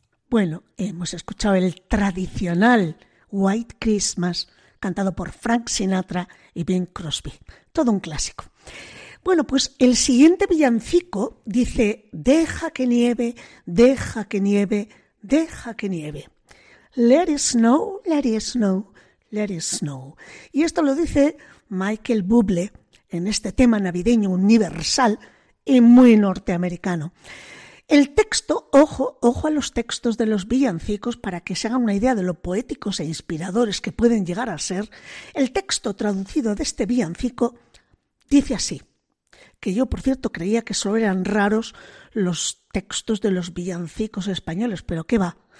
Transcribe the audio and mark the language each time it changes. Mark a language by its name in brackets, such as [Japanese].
[Spanish] Bueno, hemos escuchado el tradicional White Christmas cantado por Frank Sinatra y Bing Crosby. Todo un clásico. Bueno, pues el siguiente villancico dice: deja que nieve, deja que nieve, deja que nieve. [English] Let it snow, let it snow, let it snow. [Spanish] Y esto lo dice Michael Bublé en este tema navideño universal y muy norteamericano. El texto, ojo, ojo a los textos de los villancicos para que se hagan una idea de lo poéticos e inspiradores que pueden llegar a ser. El texto traducido de este villancico dice así, que yo, por cierto, creía que solo eran raros los textos de los villancicos españoles, pero qué va.